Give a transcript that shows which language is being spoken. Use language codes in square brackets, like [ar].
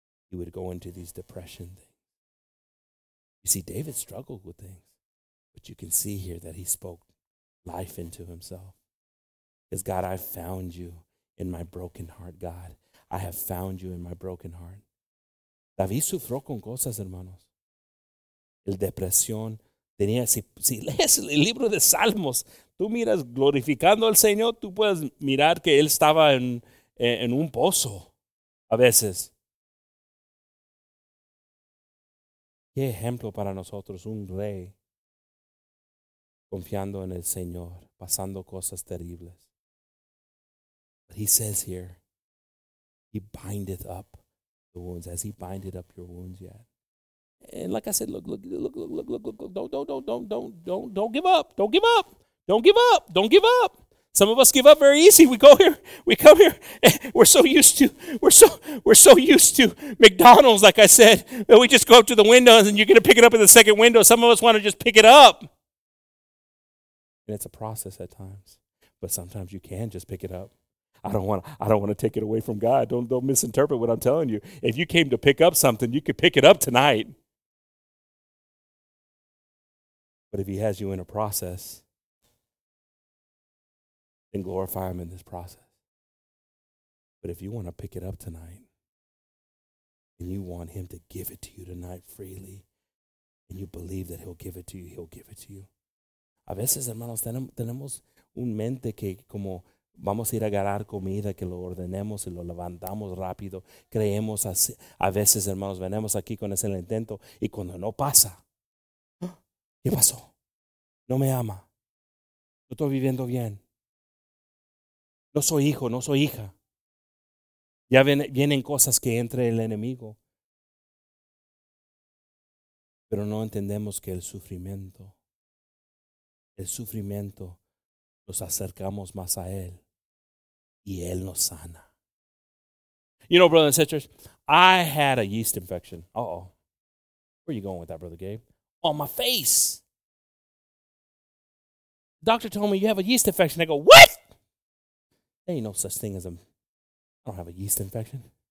[en] He would go into these depression things. You see, David struggled with things, but you can see here that he spoke life into himself. Because God, I found you in my broken heart, God. I have found you in my broken heart. [es] David sufrió con cosas, hermanos. El depresión tenía, si lees el libro de Salmos, tú miras glorificando al Señor, tú puedes mirar que él estaba en un pozo a veces. Qué ejemplo para nosotros, un rey confiando en el Señor, pasando cosas terribles. [en] But he says here, he bindeth up the wounds. Has he binded up your wounds yet? And like I said, look. Don't give up. Some of us give up very easy. We come here, and we're so used to McDonald's, like I said, that we just go up to the window and you're gonna pick it up in the second window. Some of us want to just pick it up. And it's a process at times, but sometimes you can just pick it up. I don't want to take it away from God. Don't misinterpret what I'm telling you. If you came to pick up something, you could pick it up tonight. But if he has you in a process, then glorify him in this process. But if you want to pick it up tonight, and you want him to give it to you tonight freely, and you believe that he'll give it to you, he'll give it to you. [es] A veces, hermanos, tenemos un mente que como... Vamos a ir a agarrar comida, que lo ordenemos y lo levantamos rápido. Creemos así. A veces, hermanos, venimos aquí con ese intento y cuando no pasa, ¿qué pasó? No me ama. No estoy viviendo bien. No soy hijo, no soy hija. Ya vienen cosas que entre el enemigo. Pero no entendemos que el sufrimiento, nos acercamos más a él. Y él nos sana. [en] You know, brothers and sisters, I had a yeast infection. Uh-oh. Where are you going with that, Brother Gabe? On my face. Doctor told me you have a yeast infection. I go, what? There ain't no such thing as I don't have a yeast infection.